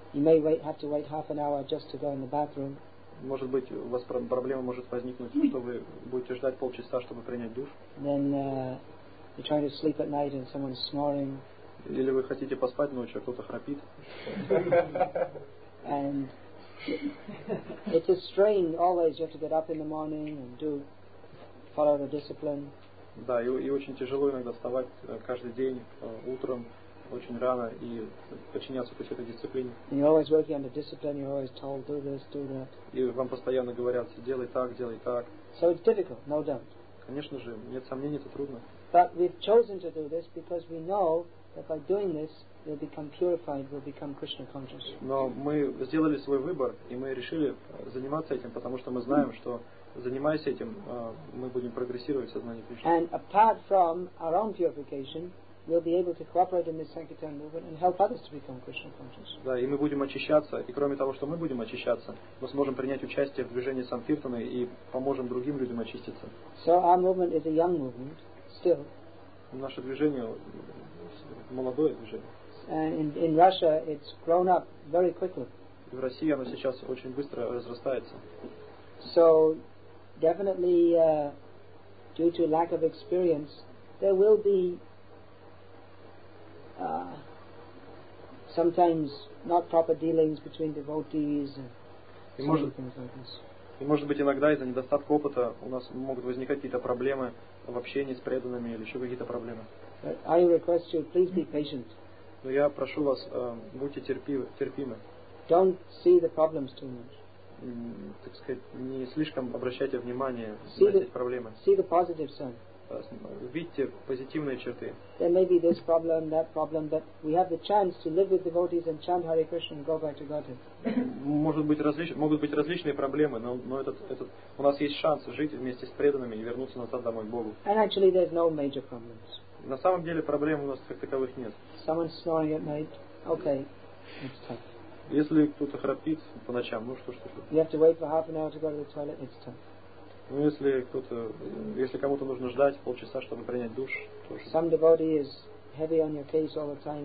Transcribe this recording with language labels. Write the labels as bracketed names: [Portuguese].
[English] You may wait, have to wait half an hour just to go in the bathroom. [Russian] Может быть, у вас проблема может возникнуть, что вы будете ждать полчаса, чтобы принять душ. [English] Then you're trying to sleep at night and someone's snoring. [Russian] Или вы хотите поспать ночью, а кто-то храпит. [English] And it's a strain always. You have to get up in the morning and do follow the discipline. [Russian] Да, и очень тяжело иногда вставать каждый день утром очень рано и подчиняться то есть этой дисциплине. [English] You're always working under discipline. You're always told do this, do that. [Russian] И вам постоянно говорят делай так, делай так. [English] So it's difficult, no doubt. [Russian] Конечно же, нет сомнений, это трудно. [English] But we've chosen to do this because we know that by doing this, we'll become purified, we'll become Krishna conscious. [Russian] Но мы сделали свой выбор и мы решили заниматься этим, потому что мы знаем, что занимаясь этим, мы будем прогрессировать в сознании Кришны. [English] And apart from our own purification, we'll be able to cooperate in this Sankirtan movement and help others to become Krishna conscious. [Russian] Да, и мы будем очищаться, и кроме того, что мы будем очищаться, мы сможем принять участие в движении Санкиртаны и поможем другим людям очиститься. [English] So our movement is a young movement, still. [Russian] Наше движение молодое движение. [English] And in Russia, it's grown up very quickly. [Russian] И в России оно сейчас очень быстро разрастается. [English] So, definitely, due to lack of experience, there will be sometimes not proper dealings between devotees and certain things like this. [Russian] И может быть иногда из-за недостатка опыта у нас могут возникать какие-то проблемы в общении с преданными или еще какие-то проблемы. [English] But I request you, please be patient. [Russian] Но я прошу вас, будьте терпимы. [English] Don't see the problems too much. [Russian] Так сказать, не слишком обращайте внимание на эти проблемы. [English] See the positive side. [Russian] Видите позитивные черты. [English] There may be this problem, that problem, but we have the chance to live with devotees and chant Hare Krishna and go back to Godhead. [Russian] Могут быть различные проблемы, но этот у нас есть шанс жить вместе с преданными и вернуться назад домой к Богу. [English] And actually, there's no major problems. [Russian] На самом деле проблем у нас как таковых нет. [English] Someone snoring at night. Okay. [Russian] Если кто-то храпит по ночам, ну что. [English] You have to wait for half an hour to go to the toilet. It's tough. [Russian] Ну если кто-то, если кому-то нужно ждать полчаса, чтобы принять душ, то. [English] Some devotee is heavy on your case all the time.